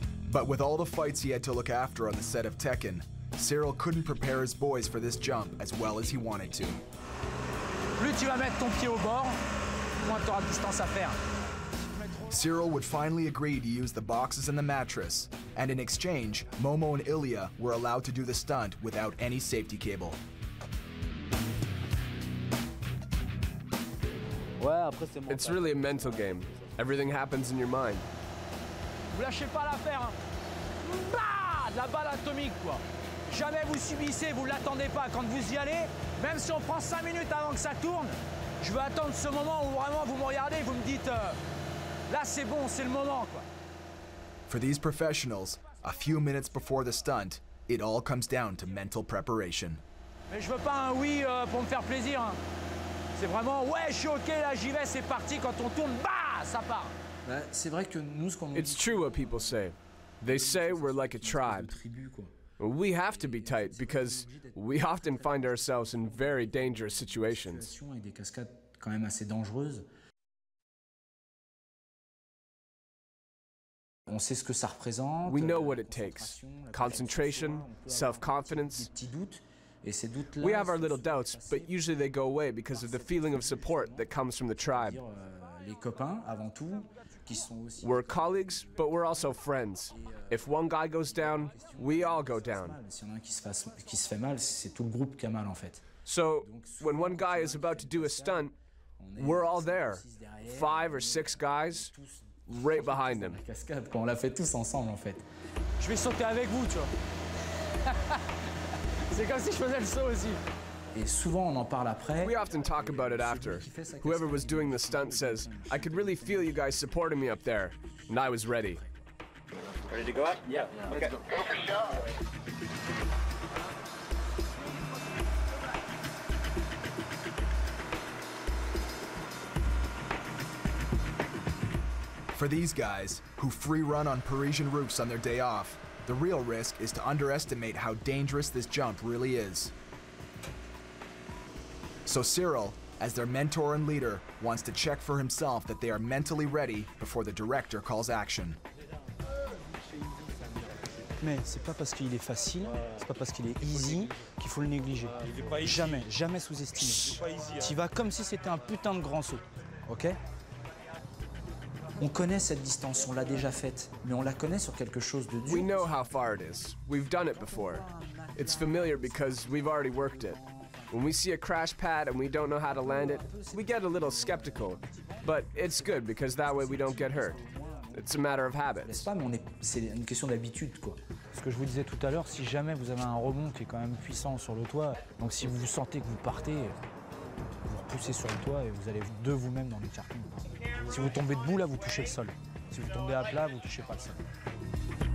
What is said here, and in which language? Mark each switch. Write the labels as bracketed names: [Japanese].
[English] But with all the fights he had to look after on the set of Tekken, Cyril couldn't prepare his boys for this jump as well as he wanted to. [French] Plus tu vas mettre ton pied au bord, moins tu auras de distance à faire. [English] Cyril would finally agree to use the boxes and the mattress, and in exchange, Momo and Ilya were allowed to do the stunt without any safety cable. It's really a mental game. Everything happens in your mind. [French] Vous lâchez pas l'affaire, hein? Bah, la balle atomique, quoi. Jamais vous subissez, vous l'attendez pas. Quand vous y allez, même si on prend 5 minutes avant que ça tourne, je veux attendre ce moment où vraiment vous me regardez, vous me dites. Là, c'est bon, c'est le moment, quoi. [English] For these professionals, a few minutes before the stunt, it all comes down to mental preparation. [French] Mais je veux pas un oui pour me faire plaisir. Hein. C'est vraiment ouais, je suis ok, là j'y vais, c'est parti. Quand on tourne, bah, ça part. Bah, c'est vrai que nous, ce qu'on. [English] It's true what people say. They say we're like a tribe. We have to be tight because we often find ourselves in very dangerous situations. [French] Et des cascades quand même assez dangereuses. On sait ce que ça représente. [English] We know what it takes. Concentration, self-confidence. We have our little doubts, but usually they go away because of the feeling of support that comes from the tribe. [French] Les copains avant tout, qui sont aussi. [English] We're colleagues, but we're also friends. If one guy goes down, we all go down. [French] Si on a un qui se fait mal, c'est tout le groupe qui a mal en fait. [English] So, when one guy is about to do a stunt, we're all there. Five or six guys. Right behind him. [French] Cascade, quoi. On l'a fait tous ensemble, en fait. Je vais sauter avec vous, tu vois. C'est comme si je faisais le saut aussi. Et souvent, on en parle après. [English] We often talk about it after. Whoever was doing the stunt says, I could really feel you guys supporting me up there, and I was ready. Ready to go up? Yeah. Okay. Let's go. For these guys, who free run on Parisian roofs on their day off, the real risk is to underestimate how dangerous this jump really is. So Cyril, as their mentor and leader, wants to check for himself that they are mentally ready before the director calls action. [French] Mais c'est pas parce qu'il est facile, c'est pas parce qu'il est easy qu'il faut le négliger. Jamais, jamais sous-estimer. Tu vas comme si c'était un putain de grand saut, ok? On connaît cette distance, on l'a déjà faite, mais on la connaît sur quelque chose de dur. [English] We know how far it is. We've done it before. It's familiar because we've already worked it. When we see a crash pad and we don't know how to land it, we get a little skeptical. But it's good because that way we don't get hurt. It's a matter of habits. [French] C'est une question d'habitude, quoi. Ce que je vous disais tout à l'heure, si jamais vous avez un rebond qui est quand même puissant sur le toit, donc si vous sentez que vous partez, vous repoussez sur le toit et vous allez de vous-même dans le carton. Si vous tombez debout, là, vous touchez le sol. Si vous tombez à plat, vous touchez pas le sol.